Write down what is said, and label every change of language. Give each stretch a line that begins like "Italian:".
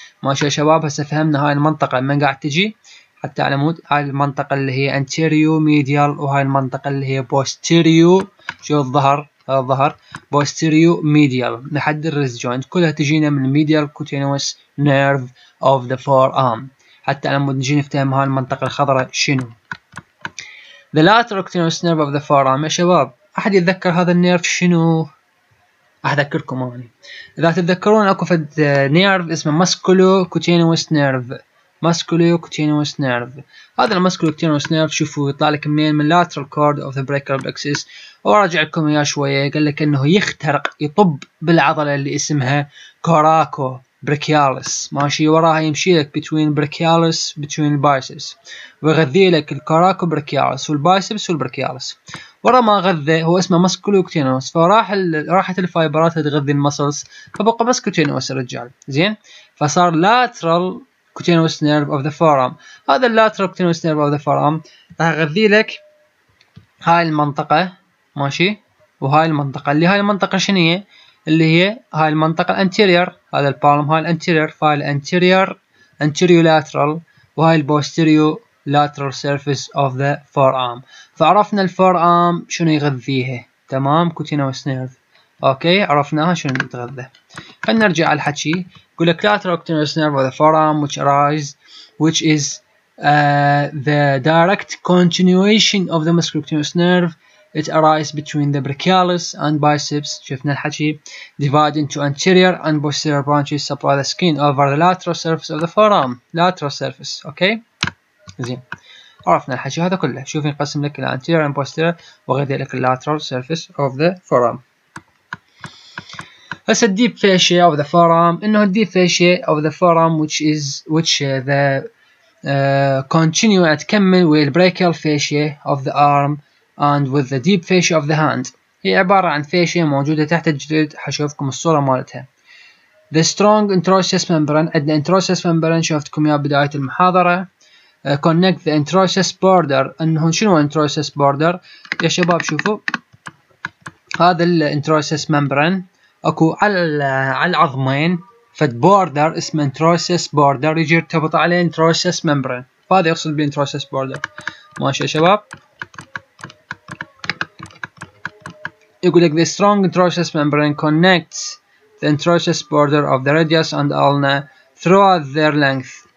Arabic: ماشي يا شباب، هسه فهمنا هاي المنطقه من قاعد تجي حتى على مود، هاي المنطقه اللي هي انتيريو ميديال، وهاي المنطقه اللي هي بوستيريو، شو الظهر، الظهر بوستيريو ميديال لحد الريست جوينت، كلها تجينا من الميديال كوتينوس نيرف اوف ذا فورام، حتى لما نجي نفتهم هاي المنطقة الخضراء شنو.
English: The lateral cutaneous nerve of the forearm
Arabic: يا شباب، أحد يتذكر هذا النيرف شنو؟ أذكركم أنا، إذا تتذكرون أكو فد نيرف اسمه muscular cutaneous nerve، muscular cutaneous nerve. هذا muscular cutaneous nerve شوفوا يطلع لك منين؟ من lateral cord of the breaker of axis. وراجع لكم إياه شوية، قال لك إنه يخترق يطب بالعضلة اللي اسمها كوراكو بريكيالس، ماشي، وراها يمشي لك بين بريكيالس بين البايسبس، ويغذي لك الكراكو بريكيالس والبايسبس والبريكيالس. ورا ما غذى هو اسمه مسكولوكتينوس، فراح راحت الفايبرات تغذي المسلس، فبقى بس كوتينوس الرجال، زين، فصار لاترال كوتينوس نيرف اوف ذا فورام. هذا اللاترال كوتينوس نيرف اوف ذا فورام راح يغذي لك هاي المنطقه، ماشي، وهاي المنطقه اللي هاي المنطقه شنو هي؟ اللي هي هاي المنطقة الانتيرير، هذا البالم، هاي الانتيرير، فهاي الانتيرير انتيريو لاترال، وهاي البوستيريو لاترال سيرفيس اوف ذا فور ارم. فعرفنا الفور ارم شنو يغذيها، تمام، كوتينوس نيرف، اوكي، عرفناها شنو يتغذى. خلينا نرجع على الحكي، يقول لك
English: Lateral cutaneous nerve of the forearm which arise which is the direct continuation of the muscular cutaneous nerve. It arises between the brachialis and biceps.
Arabic: شفنا الحكي.
English: Divide into anterior and posterior branches. Supply the skin over the lateral surface of the forearm. Lateral surface. Okay. زين. عرفنا الحكي هذا كله.
Arabic: شوف ينقسم لك الى
English: anterior and posterior
Arabic: وغير ذلك
English: lateral surface of the forearm. هسه deep fascia of the forearm, انه deep fascia of the forearm which is the continue
Arabic: تكمل
English: with brachial fascia of the arm and with the deep fascia of the hand.
Arabic: هي عبارة عن فاشية موجودة تحت الجلد، حشوفكم الصورة مالتها.
English: The strong interosseous membrane.
Arabic: عندنا
English: interosseous membrane
Arabic: شوفتكم يا بداية المحاضرة.
English: Connect the interosseous border.
Arabic: انه شنو interosseous border يا شباب؟ شوفوا هذا ال interosseous membrane اكو على العظمين، فد border اسمه interosseous border يجي يرتبط عليه interosseous membrane، فهذا يقصد بال interosseous border. ماشي يا شباب؟ يقول لك
English: the strong interosseous membrane connects the interosseous border of the radius and ulna throughout their length.